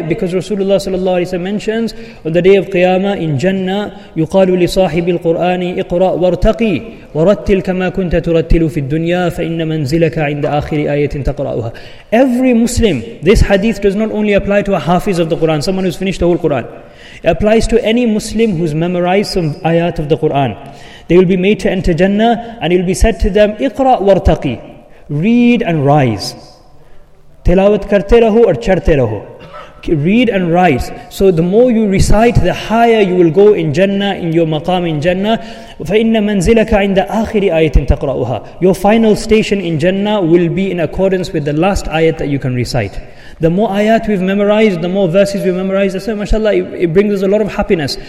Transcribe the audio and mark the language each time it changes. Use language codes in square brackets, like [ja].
[en] Because Rasulullah sallallahu alaihi wasallam mentions on the day of Qiyamah in Jannah, [ar] yuqalu li sahibil Qurani iqra wartaqi ورتل كما كنت ترتل في الدنيا فإن منزلك عند آخر آية تقرأها. [en] Every Muslim, this hadith does not only apply to a hafiz of the Quran, someone who's finished the whole Quran. It applies to any Muslim who's memorized some ayat of the Quran. They will be made to enter Jannah, and it will be said to them, [ar] اقرأ وارتقي. [en] Read and rise. [ur] تلاوت کرتے رہو اور چڑھتے رہو. [en] Read and rise. So the more you recite, the higher you will go in Jannah, in your maqam in Jannah. [ar] فَإِنَّ مَنْزِلَكَ عِنْدَ آخِرِ آيَةٍ تَقْرَأُهَا. [en] Your final station in Jannah will be in accordance with the last ayat that you can recite. The more ayat we've memorized, the more verses we've memorized, so mashallah, it brings us a lot of happiness.